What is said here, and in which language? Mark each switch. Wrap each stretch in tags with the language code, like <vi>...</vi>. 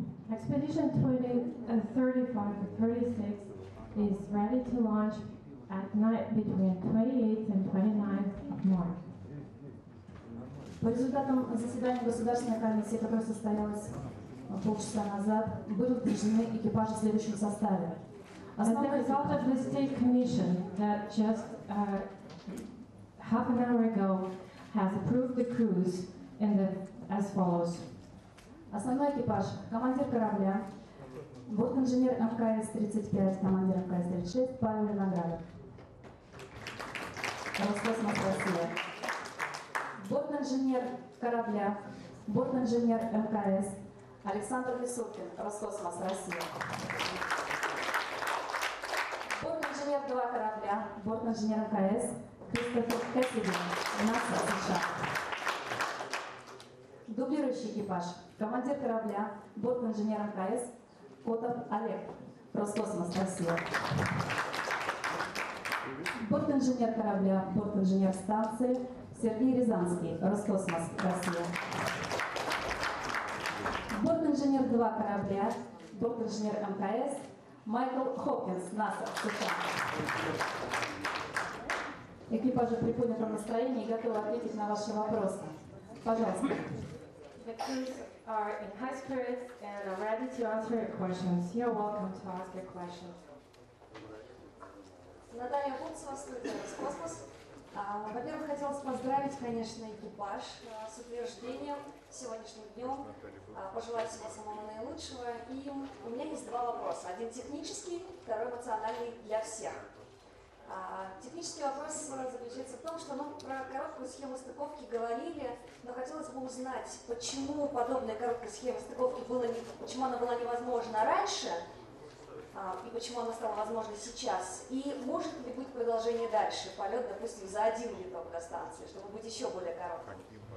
<en>Expedition 35-36 is ready to launch at night between 28 and 29 of March.</en> <ru>По результатам заседания Государственной комиссии, которое состоялось полчаса назад, будут утверждены экипажи в следующем составе.</ru> <en>Result of the State Commission that just half an hour ago has approved the crews in the as follows.</en> <ru>Основной экипаж, командир корабля, вот инженер МКС-35, командир МКС-36, Павел Виноградов. Роскосмос Россия. Бортинженер корабля, бортинженер МКС Александр Лисовкин, Роскосмос, Россия. Бортинженер 2 корабля, бортинженер МКС Кристофер Кэссиди, НАСА, США. Дублирующий экипаж, командир корабля, бортинженер МКС Котов Олег, Роскосмос, Россия. Бортинженер корабля, бортинженер станции Сергей Рязанский, Роскосмос, Россия. Бортинженер 2 корабля, бортинженер МКС Майкл Хопкинс, НАСА, США. Экипажи при поднятом настроении готовы ответить на ваши вопросы. Пожалуйста.</ru> <en>The crews are in high spirits and are ready to answer your questions. You're welcome to ask your questions.</en> <ru>Наталья Бутсова, студия Роскосмос. Во-первых, хотелось поздравить, конечно, экипаж с утверждением сегодняшним днем. Пожелать всего самого наилучшего. И у меня есть два вопроса. Один технический, второй эмоциональный для всех. Технический вопрос заключается в том, что мы про короткую схему стыковки говорили, но хотелось бы узнать, почему подобная короткая схема стыковки была, почему она была невозможна раньше, и почему она стала возможна сейчас, и может ли быть продолжение дальше, полет, допустим, за один виток до станции, чтобы быть еще более коротким.</ru>